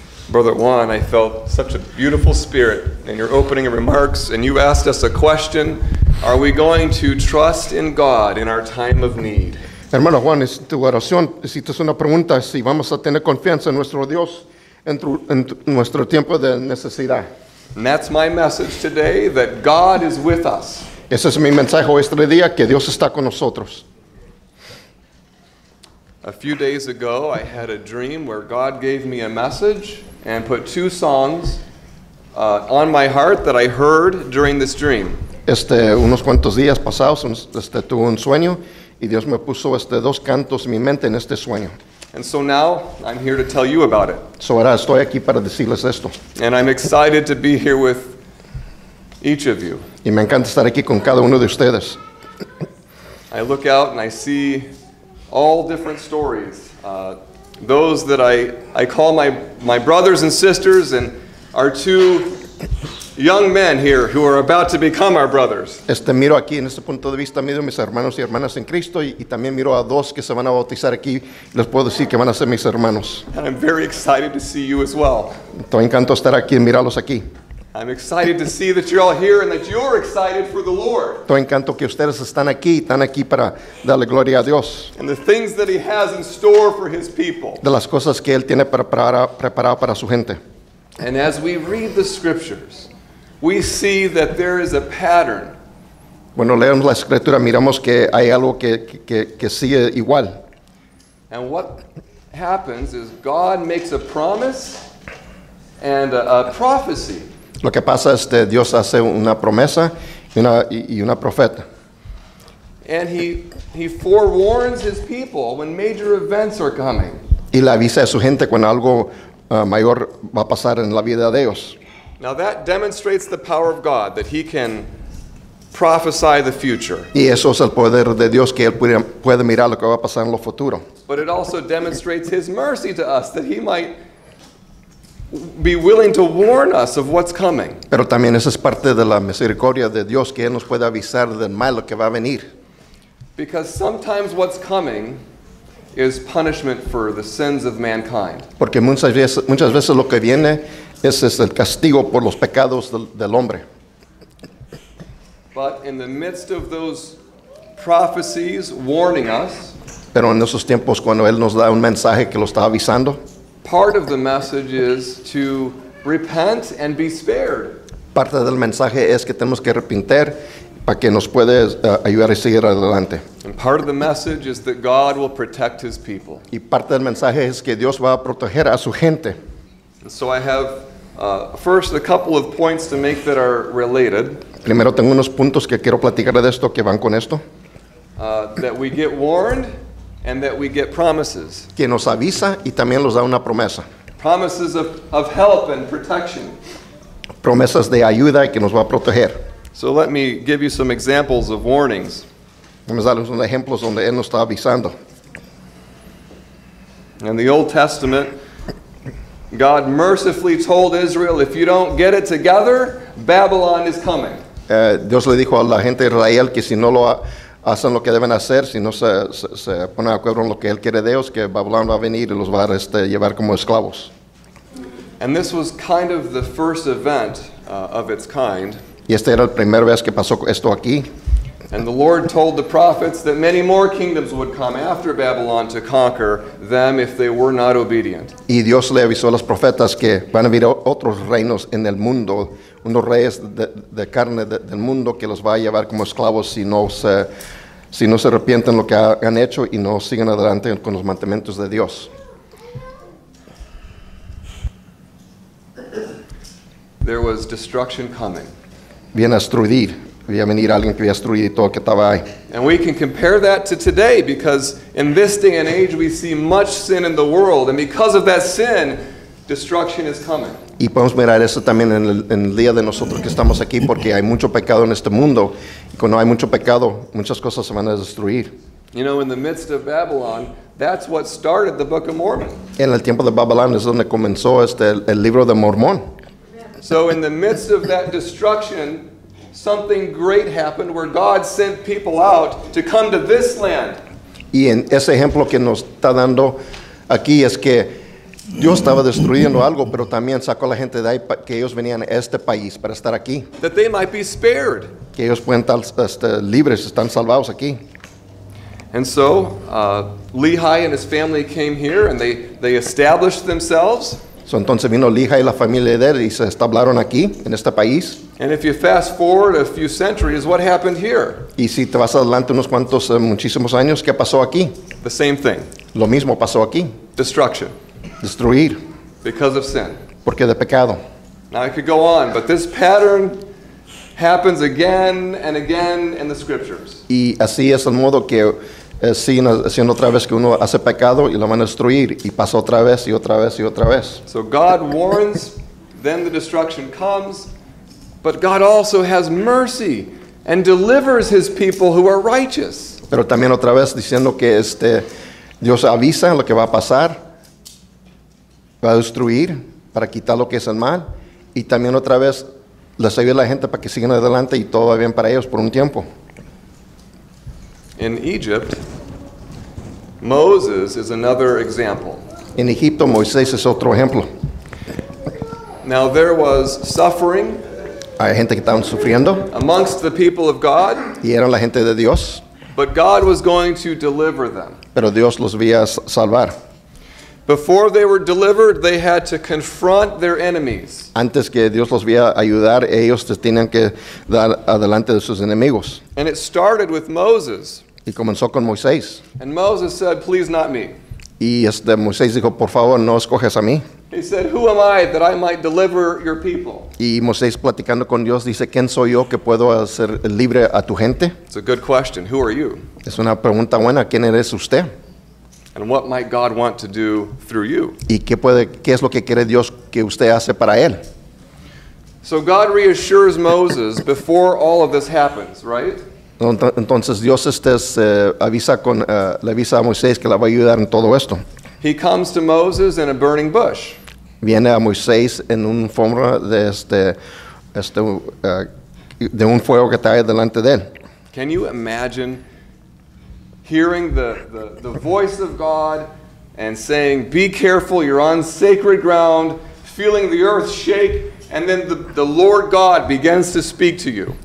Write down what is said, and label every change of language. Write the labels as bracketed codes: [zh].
[en] Brother Juan, I felt such a beautiful spirit in your opening remarks, and you asked us a question: are we going to trust in God in our time of need? [es] Hermano Juan, tu oración, si te es una pregunta, si vamos a tener confianza en nuestro Dios en nuestro tiempo de necesidad. [en] And that's my message today, that God is with us. [es] Ese es mi mensaje este día, que Dios está con nosotros. [en] A few days ago, I had a dream where God gave me a message and put two songs on my heart that I heard during this dream. [es] Este, unos cuantos días pasados, tuve un sueño, y Dios me puso dos cantos en mi mente en este sueño. [en] And so now, I'm here to tell you about it. [es] So ahora estoy aquí para decirles esto. [en] And I'm excited to be here with each of you. [es] Y me encanta estar aquí con cada uno de ustedes. [en] I look out and I see all different stories. Those that I call my brothers and sisters, and our two young men here who are about to become our brothers. [es] Este, miro aquí en este punto de vista, miro mis hermanos y hermanas en Cristo, y también miro a dos que se van a bautizar aquí. Les puedo decir que van a ser mis hermanos. [en] And I'm very excited to see you as well. [es] Estoy encantado estar aquí y mirarlos aquí. [en] I'm excited to see that you're all here and that you're excited for the Lord. [es] Estoy encantado que ustedes están aquí para darle gloria a Dios. [en] And the things that he has in store for his people. [es] De las cosas que él tiene preparado para su gente. [en] And as we read the scriptures, we see that there is a pattern. [es] Cuando leemos la escritura, miramos que hay algo que sigue igual. [en] And what happens is God makes a promise and a prophecy. [es] Lo que pasa es que Dios hace una promesa y una profeta. [en] And he forewarns his people when major events are coming. [es] Y le avisa a su gente cuando algo mayor va a pasar en la vida de ellos. [en] Now that demonstrates the power of God, that he can prophesy the future. [es] Y eso es el poder de Dios, que él puede mirar lo que va a pasar en lo futuro. [en] But it also demonstrates his mercy to us, that he might be willing to warn us of what's coming. [es] Pero también eso es parte de la misericordia de Dios, que él nos puede avisar del mal lo que va a venir. [en] Because sometimes what's coming is punishment for the sins of mankind. [es] Porque muchas veces lo que viene, ese es el castigo por los pecados del hombre. [en] But in the midst of those prophecies warning us, [es] pero en esos tiempos cuando él nos da un mensaje que lo está avisando, [en] part of the message is to repent and be spared. [es] Parte del mensaje es que tenemos que arrepentir para que nos pueda ayudar a seguir adelante. [en] And part of the message is that God will protect his people. [es] Y parte del mensaje es que Dios va a proteger a su gente. [en] So I have first a couple of points to make that are related. [es] Primero tengo unos puntos que quiero platicar de esto que van con esto. [en] That we get warned and that we get promises. [es] Que nos avisa y también nos da una promesa. [en] Promises of help and protection. [es] Promesas de ayuda y que nos va a proteger. [en] So let me give you some examples of warnings. [es] Vamos a darles unos ejemplos donde él nos está avisando. [en] In the Old Testament, God mercifully told Israel, if you don't get it together, Babylon is coming. [es] Dios le dijo a la gente de Israel que si no lo hacen lo que deben hacer, si no se ponen de acuerdo en lo que él quiere de ellos, que Babylon va a venir y los va a llevar como esclavos. [en] And this was kind of the first event of its kind. [es] Y esta era la primera vez que pasó esto aquí. [en] And the Lord told the prophets that many more kingdoms would come after Babylon to conquer them if they were not obedient. [es] Y Dios le avisó a los profetas que van a haber otros reinos en el mundo, unos reyes de carne del mundo que los va a llevar como esclavos si no se arrepienten lo que han hecho y no siguen adelante con los mandamientos de Dios. [en] There was destruction coming. [es] Viene a destruir. [en] And we can compare that to today, because in this day and age we see much sin in the world, and because of that sin, destruction is coming. [es] Y podemos mirar eso también en el día de nosotros que estamos aquí, porque hay mucho pecado en este mundo, y cuando hay mucho pecado, muchas cosas se van a destruir. [en] You know, in the midst of Babylon, that's what started the Book of Mormon. [es] En el tiempo de Babilón es donde comenzó el libro de Mormón. [en] So in the midst of that destruction, something great happened where God sent people out to come to this land. [es] Y en ese ejemplo que nos está dando aquí es que Dios estaba destruyendo algo, pero también sacó a la gente de ahí que ellos venían a este país para estar aquí. [en] That they might be spared. [es] Que ellos puedan estar libres, están salvados aquí. [en] And so, Lehi and his family came here and they established themselves. [es] So entonces vino Lehi y la familia de él y se establecieron aquí, en este país. [en] And if you fast forward a few centuries, what happened here? [es] Y si te vas adelante unos cuantos, muchísimos años, ¿qué pasó aquí? [en] The same thing. [es] Lo mismo pasó aquí. [en] Destruction. [es] Destruir. [en] Because of sin. [es] Porque de pecado. [en] Now I could go on, but this pattern happens again and again in the scriptures. [es] Y así es el modo que siendo otra vez que uno hace pecado y lo van a destruir y pasa otra vez y otra vez y otra vez. [en] So God warns, then the destruction comes, but God also has mercy and delivers his people who are righteous. [es] Pero también otra vez diciendo que Dios avisa lo que va a pasar, va a destruir para quitar lo que es el mal y también otra vez les ayuda a la gente para que sigan adelante y todo va bien para ellos por un tiempo. [en] In Egypt, Moses is another example. [es] En Egipto, Moisés es otro ejemplo. [en] Now there was suffering. [es] Hay gente que estaban sufriendo. [en] Amongst the people of God. [es] Y eran la gente de Dios. [en] But God was going to deliver them. [es] Pero Dios los iba a salvar. [en] Before they were delivered, they had to confront their enemies. [es] Antes que Dios los vaya a ayudar, ellos tenían que dar adelante de sus enemigos. [en] And it started with Moses. [es] Y comenzó con Moisés. [en] And Moses said, "Please not me." [es] Y Moisés dijo, "Por favor, no escoges a mí." [en] He said, "Who am I that I might deliver your people?" [es] Y Moisés platicando con Dios dice, "¿Quién soy yo que puedo hacer libre a tu gente?" [en] It's a good question. Who are you? [es] Es una pregunta buena. ¿Quién eres usted? [en] And what might God want to do through you? [es] ¿Y qué es lo que quiere Dios que usted hace para él? [en] So God reassures Moses before all of this happens, right? [es] Entonces Dios le avisa a Moisés que la va a ayudar en todo esto. [en] He comes to Moses in a burning bush. [es] Viene a Moisés en un forma de un fuego que está ahí delante de él. [en] Can you imagine hearing the voice of God and saying, "Be careful, you're on sacred ground," feeling the earth shake, and then the Lord God begins to speak to you.